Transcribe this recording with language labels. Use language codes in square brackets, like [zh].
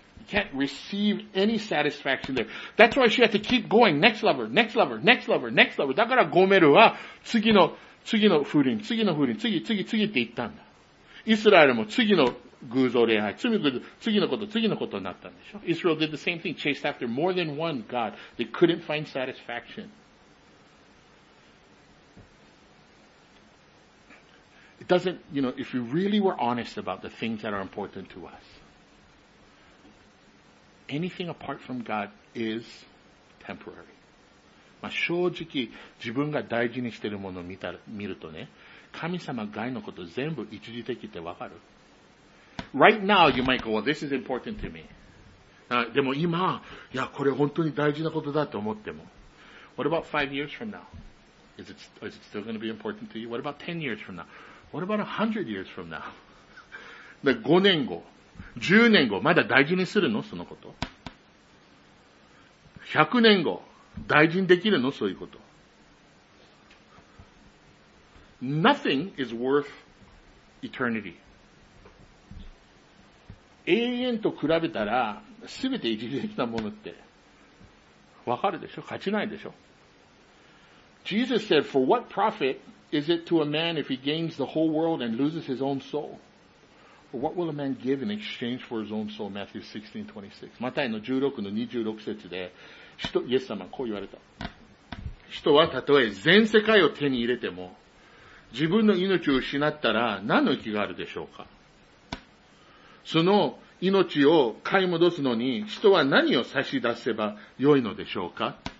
[en] You can't receive any satisfaction there. That's why she had to keep going. Next lover, next lover, next lover, next lover. [ja] だからゴメルは次の不倫、次の不倫、次って言ったんだ。イスラエルも次の偶像礼拝、罪の偶像、次のこと、次のことになったんでしょ。 [en] Israel did the same thing, chased after more than one God. They couldn't find satisfaction. It doesn't, you know, if we really were honest about the things that are important to us, anything apart from God is temporary. [ja] まあ、正直、自分が大事にしているものを見るとね、神様外のこと全部一時的ってわかる。 [en] Right now, you might go, well, this is important to me. [ja] でも今、いや、これ本当に大事なことだと思っても。 [en] What about 5 years from now? Is it still going to be important to you? What about 10 years from now? What about 100 years from now? [ja] で、5年後、10年後、まだ大事にするの? そのこと。 100年後、大事にできるの?そういうこと。 [en] Nothing is worth eternity. [ja] 永遠と比べたら、すべて一時的なものって、わかるでしょ?勝ちないでしょ? [en] Jesus said, for what profit is it to a man if he gains the whole world and loses his own soul? Or what will a man give in exchange for his own soul? Matthew 16:26. [ja] マタイの16の26節で、イエス様こう言われた。人はたとえ全世界を手に入れても、自分の命を失ったら何の益があるでしょうか? その命を買い戻すのに人は何を差し出せばよいのでしょうか?